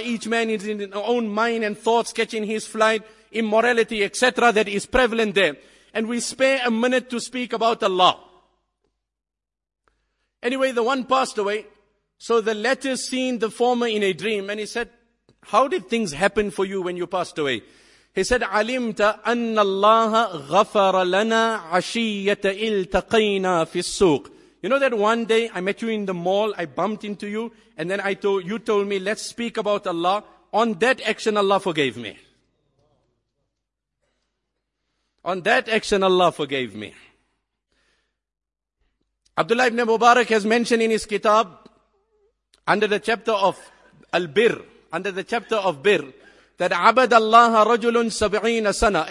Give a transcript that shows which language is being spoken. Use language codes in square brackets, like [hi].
[en] Each man is in his own mind and thoughts, catching his flight, immorality, etc. that is prevalent there. And we spare a minute to speak about Allah. Anyway, the one passed away. So the latter seen the former in a dream and he said, how did things happen for you when you passed away? He said, [ar] عَلِمْتَ أَنَّ اللَّهَ غَفَرَ لَنَا عَشِيَّةَ إِلْتَقَيْنَا فِي السُّوقِ. [en] You know that one day I met you in the mall, I bumped into you, and then you told me, let's speak about Allah. On that action, Allah forgave me. On that action, Allah forgave me. Abdullah ibn Mubarak has mentioned in his kitab, under the chapter of Al-Birr, under the chapter of Birr, that [ar] عَبَدَ اللَّهَ رَجُلٌ سَبْعِينَ سَنَى.